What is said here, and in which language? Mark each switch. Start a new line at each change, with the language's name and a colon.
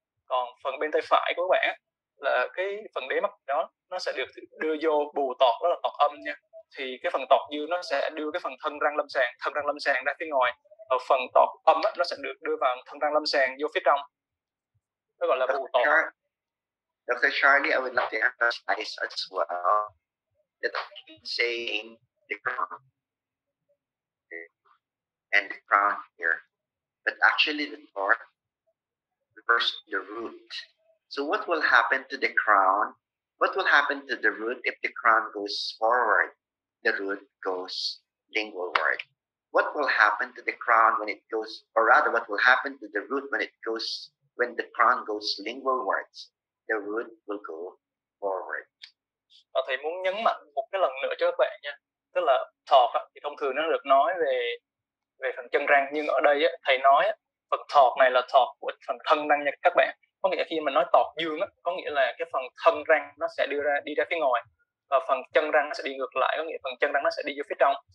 Vietnamese: Còn phần bên tay phải của các bạn á, là cái phần đế mắc đó nó sẽ được đưa vô bù tọt, đó là tọt âm nha. Thì cái phần tọt dương nó sẽ đưa cái phần thân răng lâm sàng ra phía ngoài, và phần tọt âm đó, nó sẽ được đưa vào thân răng lâm sàng vô phía trong, nó gọi là bù tọt.
English: Dr. Charlie, I would like to emphasize as well that I'm saying the crown and the crown here, but actually the torque refers to the root. So what will happen to the crown? What will happen to the root if the crown goes forward? The root goes lingualward. What will happen to the crown when it goes, or rather, what will happen to the root when it goes, when the crown goes lingualwards? The root will go forward.
Vietnamese: Thầy muốn nhấn mạnh một cái lần nữa cho các bạn nha. Tức là thọt thì thông thường nó được nói về phần chân răng, nhưng ở đây thầy nói phần thọt này là thọt của phần thân răng nha các bạn. Có nghĩa khi mà nói tọt dương á, có nghĩa là cái phần thân răng nó sẽ đi ra phía ngoài, và phần chân răng nó sẽ đi ngược lại, có nghĩa phần chân răng nó sẽ đi vô phía trong.